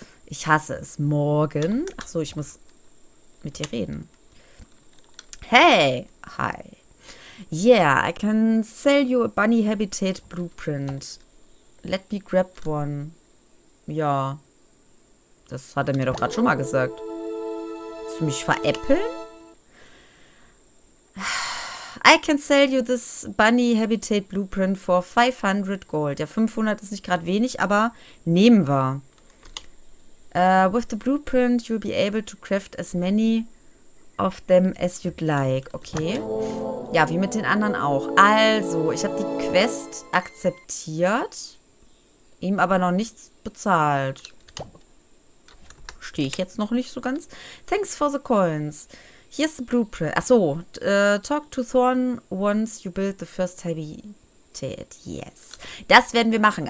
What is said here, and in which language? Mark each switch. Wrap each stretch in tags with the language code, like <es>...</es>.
<de>Ich hasse es. Morgen. Ach so, ich muss mit dir reden. Hey. Hi.</de> <en>Yeah, I can sell you a bunny habitat blueprint. Let me grab one. Ja.</en> <de>Das hat er mir doch gerade schon mal gesagt. Willst du mich veräppeln?</de> <en>I can sell you this bunny habitat blueprint for 500 gold.</en> <de>Ja, 500 ist nicht gerade wenig, aber nehmen wir.</de> <en>With the blueprint you'll be able to craft as many of them as you'd like.</en> <de>Okay. Ja, wie mit den anderen auch. Also, ich habe die Quest akzeptiert, ihm aber noch nichts bezahlt. Stehe ich jetzt noch nicht so ganz.</de> <en>Thanks for the coins. Here's the blueprint. Achso, talk to Thorn once you build the first habitat. Yes.</en> <de>Das werden wir machen.</de>